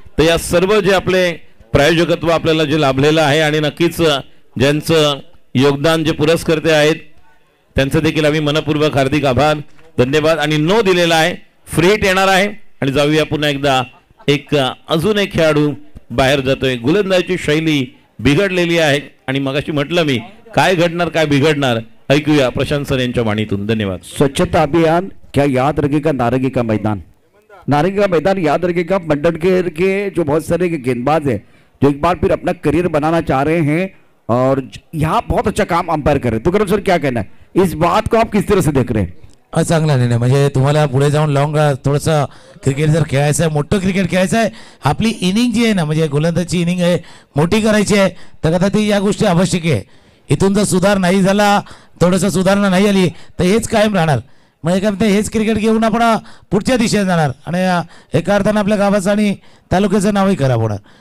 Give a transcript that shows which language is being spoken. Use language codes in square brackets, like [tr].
[mr] तर या सर्व जे आपले प्रायोजकत्व आपल्याला जे लाभलेलं आहे आणि नक्कीच ज्यांचं योगदान जे पुरस्कर्ते आहेत त्यांचं देखील आम्ही मनपूर्वक हार्दिक आभार धन्यवाद आणि नो दिलेला आहे फ्रीट येणार आहे आणि जाऊया पुन्हा एकदा एक अजून एक खेळाडू बाहेर जातोय. गोलंदाजीची शैली बिघडलेली आहे आणि मगाशी म्हटलं मी काय घडणार काय बिघडणार ऐकूया प्रशांत सर यांच्या वाणीतून. धन्यवाद. [hi] स्वच्छता अभियान क्या याद रखेगा नारंगी का मैदान, नारंगी का मैदान याद रखेगा मंडल के जो बहुत सारे गेंदबाज है जो एक बार फिर अपना करियर बनाना चाह रहे हैं और यहाँ बहुत अच्छा काम अंपायर कर रहे हैं। तुकाराम सर क्या कहना है, इस बात को आप किस तरह से देख रहे हैं? [mr] चांगला निर्णय, म्हणजे तुम्हाला पुढे जाऊन लॉंग थोडस क्रिकेट जर खेळायचं आहे, मोठं क्रिकेट खेळायचं आहे, आपली इनिंग जी आहे ना म्हणजे गोलंदाजची इनिंग आहे मोठी करायची आहे, तर ती या गोष्टी आवश्यक आहे। इथून जर सुधार नाही झाला, थोडस सुधारणा नाही आली, तर हेच कायम राहणार, म्हणजे काय म्हणते हेच क्रिकेट घेऊन आपण पुढच्या दिशेने जाणार आणि एका अर्थानं आपल्या गावाचं आणि तालुक्याचं नावही खराब होणार।